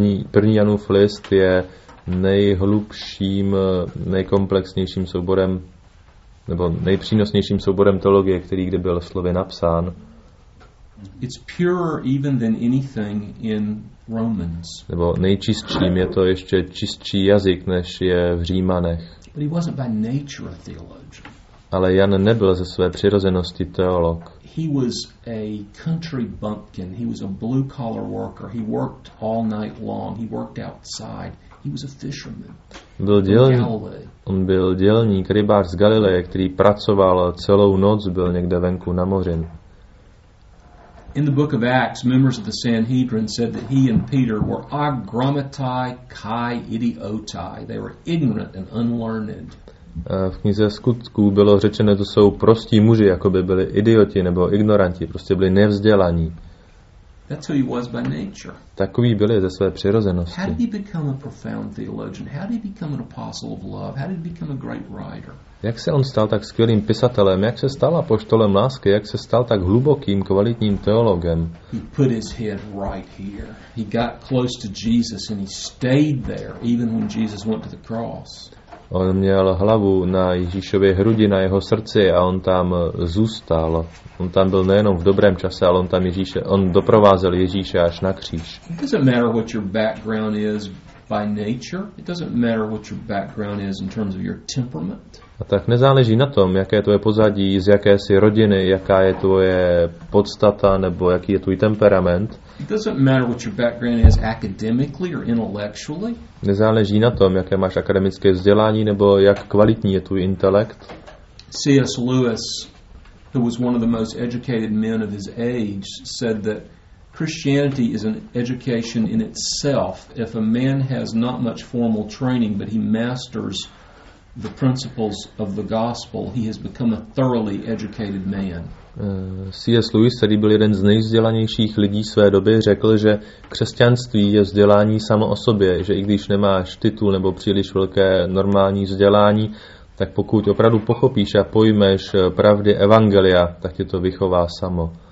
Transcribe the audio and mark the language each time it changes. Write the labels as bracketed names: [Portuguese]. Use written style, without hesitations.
[Czech] První Janův list je nejhlubším, nejkomplexnějším souborem nebo nejpřínosnějším souborem teologie, který kdy byl slovy napsán. [English] It's purer even than anything in Romans. [Czech] Nebo nejčistším, je to ještě čistší jazyk, než je v Římanech. [English] But he wasn't by nature a theologian. [Czech] Ale Jan nebyl ze své přirozenosti teolog. [English] He was a country bumpkin. He was a blue collar worker. He worked all night long. He worked outside. He was a fisherman. [Czech] On byl dělník, rybář z Galileje, který pracoval celou noc, byl někde venku na moři. [English] In the book of Acts, members of the Sanhedrin said that he and Peter were [Greek] agrammatai kai idiotai. [English] They were ignorant and unlearned. [Czech] V knize Skutků bylo řečeno, že jsou prostí muži, jako by byli idioti nebo ignoranti, prostě byli nevzdělaní. [English] That's who he was by nature. [Czech] Takový byl ze své přirozenosti. [English] How did he become a profound theologian? How did he become an apostle of love? How did he become a great writer? [Czech] Jak se on stal tak skvělým pisatelem? Jak se stal apoštolem lásky? Jak se stal tak hlubokým, kvalitním teologem? [English] He put his head right here. He got close to Jesus and he stayed there even when Jesus went to the cross. [Czech] On měl hlavu na Ježíšově hrudi, na jeho srdci a on tam zůstal. On tam byl nejenom v dobrém čase, ale on tam Ježíše, on doprovázel Ježíše až na kříž. [English] It doesn't matter what your background is by nature. It doesn't matter what your background is in terms of your temperament. [Czech] A tak nezáleží na tom, jaké je tvoje pozadí, z jaké jsi rodiny, jaká je tvoje podstata nebo jaký je tvůj temperament. [English] It doesn't matter what your background is academically or intellectually. [Czech] Nezáleží na tom, jaké máš akademické vzdělání nebo jak kvalitní je tvůj intelekt. [English] C.S. Lewis, who was one of the most educated men of his age, said that Christianity is an education in itself. If a man has not much formal training, but he masters the principles of the gospel, he has become a thoroughly educated man. [Czech] C.S. Lewis, který byl jeden z nejvzdělanějších lidí své doby, řekl, že křesťanství je vzdělání samo o sobě, že i když nemáš titul nebo příliš velké normální vzdělání, tak pokud opravdu pochopíš a pojmeš pravdy evangelia, tak tě to vychová samo.